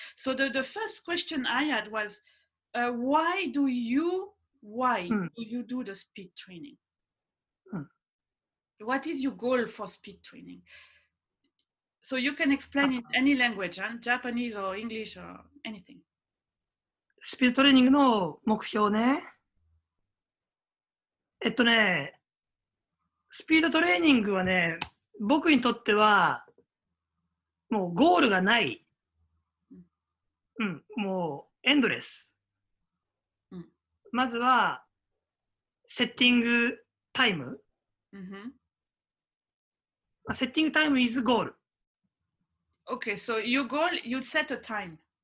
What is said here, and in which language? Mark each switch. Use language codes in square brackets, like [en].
[en] So the first question I had was, why do you do the speed training? What is your goal for speed training? So you can explain in any language, Japanese or English or anything. [ja] スピードトレーニングの目標ね。スピードトレーニングはね、僕にとってはもうゴールがない。もうエンドレス。まずはセッティングタイム。 [en] セッティングタイムイズゴール。 Okay, so your goal, you set a time.